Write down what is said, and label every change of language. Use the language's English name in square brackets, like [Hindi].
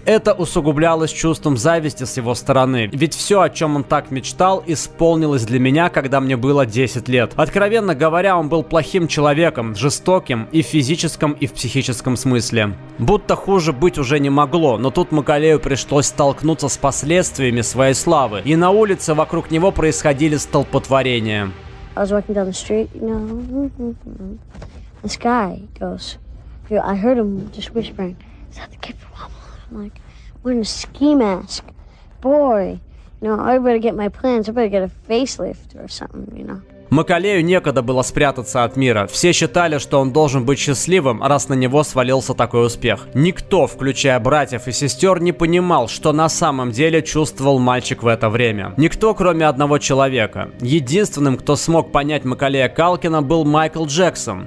[Russian] Это усугублялось чувством зависти с его стороны, ведь все, о чем он так мечтал, исполнилось для меня, когда мне было 10 лет. Откровенно говоря, он был плохим человеком, жестоким и в физическом, и в психическом смысле. Будто хуже быть уже не могло, но тут Макалею пришлось столкнуться с последствиями своей славы, и на улице вокруг него происходили столпотворения. [English] I was walking down the street, you know, this guy goes, I heard him just whispering, is that the kid from Wobble? I'm like, wearing a ski mask, boy, you know, I better get my plans, I better get a facelift or something, you know. [Russian] Макалею некогда было спрятаться от мира. Все считали, что он должен быть счастливым, раз на него свалился такой успех. Никто, включая братьев и сестер, не понимал, что на самом деле чувствовал мальчик в это время. Никто, кроме одного человека. Единственным, кто смог понять Макалея Калкина, был Майкл Джексон.